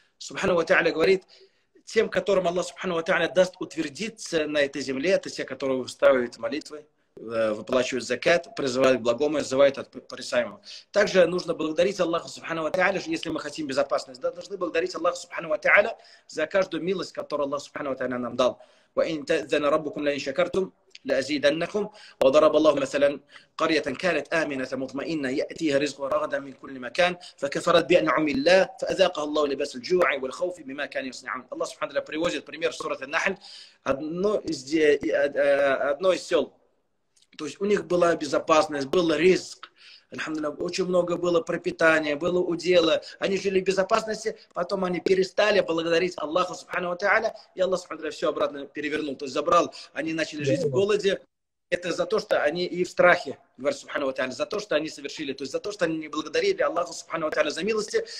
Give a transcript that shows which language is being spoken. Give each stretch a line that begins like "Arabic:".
Russian: سبحانه وتعالى говорит тем, которым Аллах سبحانه وتعالى даст утвердиться на этой земле, это те, которые выстраивают молитвы, выплачивают закат, призывают к благому, отзывают от порицаемого. Также нужно благодарить Аллаха Субхану ва Тааля, если мы хотим безопасность, да, должны благодарить Аллаха Субхану ва Тааля за каждую милость, которую Аллах Субхану ва Тааля нам дал.
Arabic: وإن تأذن ربكم لئن شكرتم لأزيدنكم وضرب الله مثلا قرية كانت آمنة مطمئنة يأتيها رزق رغدا من كل مكان فكفرت بأنعم الله فأذاقها الله لباس الجوع والخوف بما كان يصنعون. الله سبحانه وتعالى
Russian: приводит пример
Arabic: سورة النحل.
Russian: Одно из сел, то есть у них была безопасность, был риск, очень много было пропитания, было удела, они жили в безопасности, потом они перестали благодарить Аллаха Субхану ва Тааля, и Аллах Субхану ва Тааля все обратно перевернул, то есть забрал, они начали жить в голоде, это за то, что они и в страхе, говорит Субхану ва Тааля, за то, что они совершили, то есть за то, что они не благодарили Аллаха Субхану ва Тааля за милости.